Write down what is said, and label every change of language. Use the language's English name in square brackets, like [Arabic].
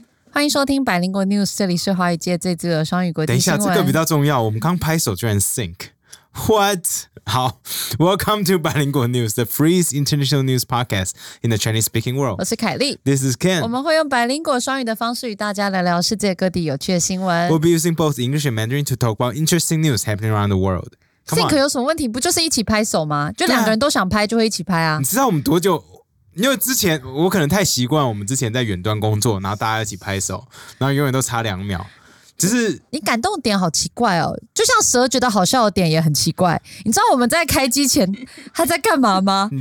[Chinese] 欢迎收听百灵国 news， 这里是华语界最自由的双语国际新闻。等一下，这个比较重要。我们刚拍手居然 sync， what？ [English] 好 ，Welcome to 百灵国 news， the freest international news podcast in the Chinese speaking world。 [Chinese] 我是凯莉 [English] ，This is Ken。 [Chinese] 我们会用百灵国双语的方式与大家来聊世界各地有趣的新闻。 [English] We'll be using both English and Mandarin to talk about interesting news happening around the world。 [Chinese] sync 有什么问题？不就是一起拍手吗？就两个人都想拍，就会一起拍啊。你知道我们多久？因为之前我可能太习惯我们之前在远端工作，然后大家一起拍手，然后永远都差2秒，就是你感动点好奇怪哦，就像蛇觉得好笑的点也很奇怪。你知道我们在开机前他在干嘛吗？